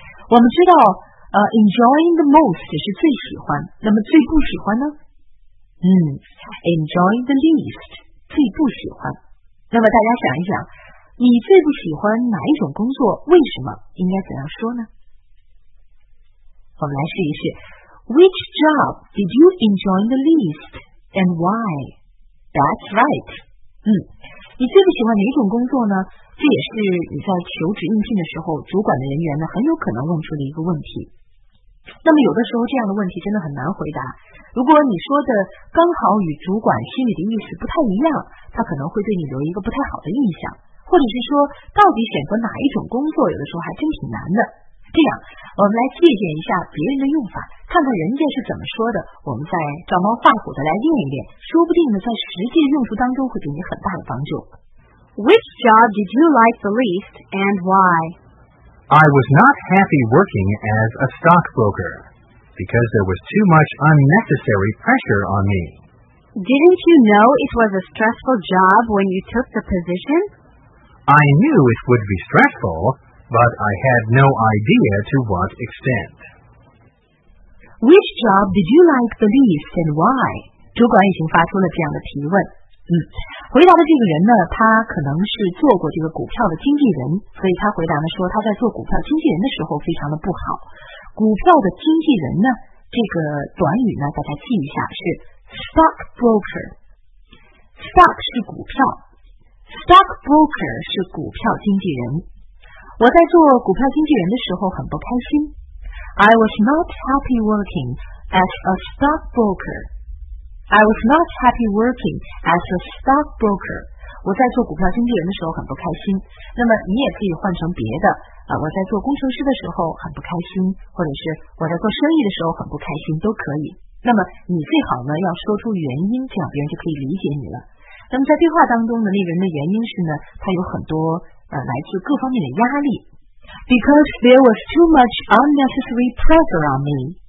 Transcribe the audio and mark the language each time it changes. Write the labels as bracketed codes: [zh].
[zh] 我们知道 [en] enjoying the most [zh] 是最喜欢，那么最不喜欢呢？ [en] enjoying the least [zh] 最不喜欢。那么大家想一想，你最不喜欢哪一种工作？为什么？应该怎样说呢？我们来试一试 [en] ，Which job did you enjoy the least and why? That's right。 [zh] 你最不喜欢哪一种工作呢？这也是你在求职应聘的时候，主管的人员呢很有可能问出的一个问题。那么有的时候这样的问题真的很难回答，如果你说的刚好与主管心里的意思不太一样，他可能会对你留一个不太好的印象，或者是说到底选择哪一种工作，有的时候还真挺难的。这样我们来借鉴一下别人的用法，看看人家是怎么说的，我们再照猫画虎的来练一练，说不定呢在实际的用途当中会给你很大的帮助。 [en] Which job did you like the least and why? I was not happy working as a stockbroker because there was too much unnecessary pressure on me. Didn't you know it was a stressful job when you took the position? I knew it would be stressful, but I had no idea to what extent. Which job did you like the least and why? [zh] 主管已经发出了这样的提问。回答的这个人呢，他可能是做过这个股票的经纪人，所以他回答呢说他在做股票经纪人的时候非常的不好。股票的经纪人呢，这个短语呢大家记一下，是 stock broker。 stock 是股票， stock broker 是股票经纪人。我在做股票经纪人的时候很不开心。 [en] I was not happy working as a stock brokerI was not happy working as a stockbroker. [zh] 我在做股票经纪人的时候很不开心。那么你也可以换成别的，我在做工程师的时候很不开心，或者是我在做生意的时候很不开心，都可以。那么你最好呢要说出原因，这样别人就可以理解你了。那么在对话当中的那个人的原因是呢，他有很多来自各方面的压力。 [en] Because there was too much unnecessary pressure on me.